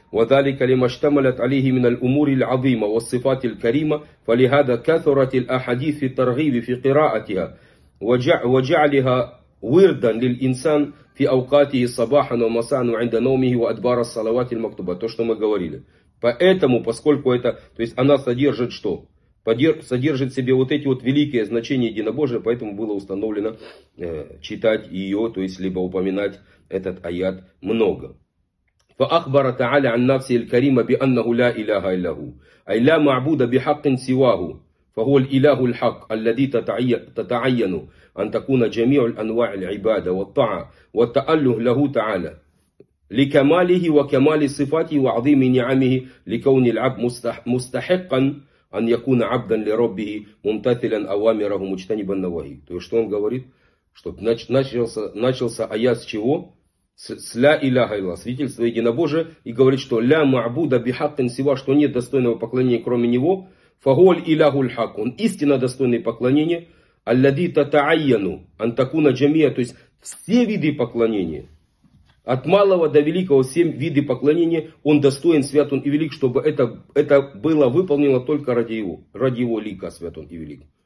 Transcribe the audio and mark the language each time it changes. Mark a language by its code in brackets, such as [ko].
[ar] وَذَلِكَ لِمَا اشْتَمَلَتْ عَلَيْهِ مِنَ الْأُمُورِ الْعَظِيمَةِ وَالصِّفَاتِ الْكَرِيمَةِ فَلِهَذَا كَثُرَتِ الْأَحَادِيثُ فِي التَّرْغِيبِ فِي قِرَاءَتِهَا وَجَعَلَهَا وِرْدًا لِلْإِنْسَانِ فِي أَوْقَاتِهِ صَبَاحًا وَمَسَاءً وَعِنْدَ نَوْمِهِ وَأَدْبَارَ الصَّلَوَاتِ الْمَكْتُوبَةِ. [ru] То, что мы говорили. Поэтому, поскольку это, то есть она содержит что? Содержит в себе вот эти вот великие значения единобожия, поэтому было установлено читать ее, то есть либо упоминать этот аят много. [ar] فأخبر تعالى عن نفسه الكريمة بأنه لا إله إلا هو أي لا معبود بحق سواه فهو الإله الحق الذي تتعين أن تكون جميع الأنواع العبادة والطاعة والتأله له تعالى لكماله وكمال صفاته وعظيم نعمه لكون العبد مستحقا أن يكون عبدا لربه ممتثلا أوامره مجتنبا نواهيه. [ru] То есть что он говорит? Что начался аят с чего? С «Ля Иляха Илля», свидетельство единобожие, и говорит, что «Ля Маабуда Бихаттин Сива», что нет достойного поклонения, кроме него. «Фаголь Иляху Льхак», он истинно достойный поклонения. «Алляди Татааяну Антакуна Джамия», то есть все виды поклонения, от малого до великого, все виды поклонения, он достоин, свят он и велик, чтобы это было выполнено только ради его лика, свят он и велик.